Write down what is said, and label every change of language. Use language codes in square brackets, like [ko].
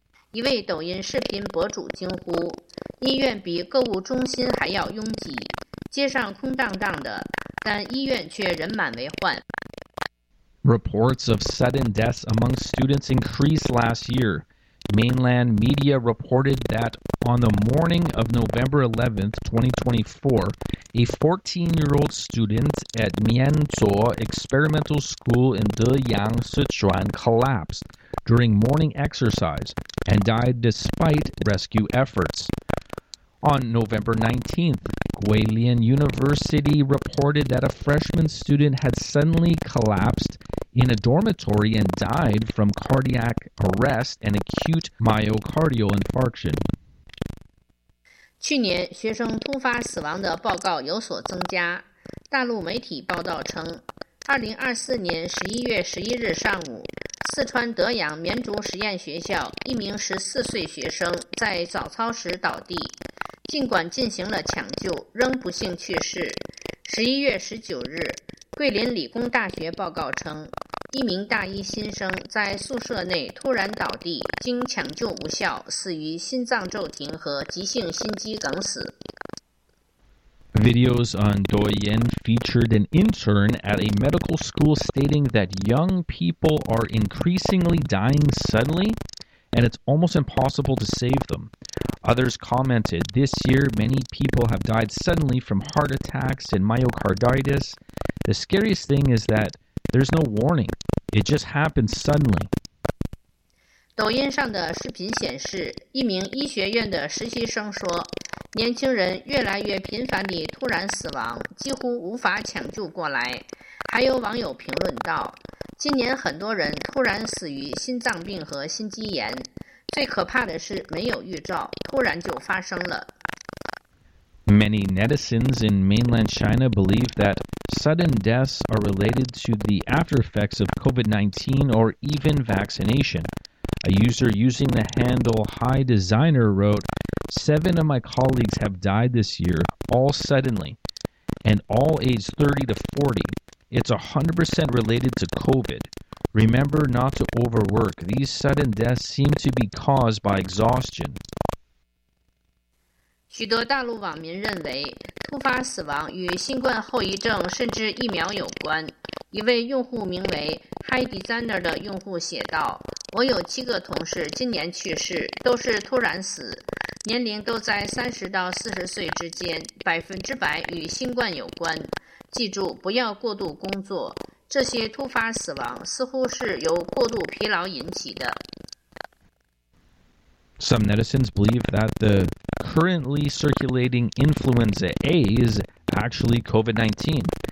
[zh] 一位抖音视频博主惊呼，医院比购物中心还要拥挤，街上空荡荡的，但医院却人满为患。 [en] Reports of sudden deaths among students increased last year. Mainland media reported that on the morning of November 11, 2024, a 14-year-old student at Mianzhou Experimental School in Deyang, Sichuan collapsed during morning exercise and died despite rescue efforts. On November 19th, Guilin University reported that a freshman student had suddenly collapsed in a dormitory and died from cardiac arrest and acute myocardial infarction. [zh] 去年学生突发死亡的报告有所增加。大陆媒体报道称，2024年11月11日上午，四川德阳绵竹实验学校一名14岁学生在早操时倒地，尽管进行了抢救，仍不幸去世。 11月19日，桂林理工大学报告称，一名大一新生在宿舍内突然倒地，经抢救无效，死于心脏骤停和急性心肌梗死。 [en] Videos on Douyin featured an intern at a medical school stating that young people are increasingly dying suddenly, and it's almost impossible to save them. Others commented, this year many people have died suddenly from heart attacks and myocarditis. The scariest thing is that there's no warning. It just happens suddenly. [zh] 抖音上的视频显示，一名医学院的实习生说，年轻人越来越频繁地突然死亡，几乎无法抢救过来。还有网友评论道，今年很多人突然死于心脏病和心肌炎，最可怕的是没有预兆，突然就发生了。 [en] Many netizens in mainland China believe that sudden deaths are related to the after effects of COVID-19 or even vaccination. A user using the handle High Designer wrote, 7 of my colleagues have died this year, all suddenly, and all aged 30 to 40. It's 100% related to COVID. Remember not to overwork. These sudden deaths seem to be caused by exhaustion. [zh] 许多大陆网民认为，突发死亡与新冠后遗症甚至疫苗有关。一位用户名为 High Designer 的用户写道，我有七个同事今年去世，都是突然死，年龄都在30到40岁之间，100%与新冠有关。记住，不要过度工作。这些突发死亡似乎是由过度疲劳引起的。 [en] Some netizens believe that the currently circulating influenza A is actually COVID-19.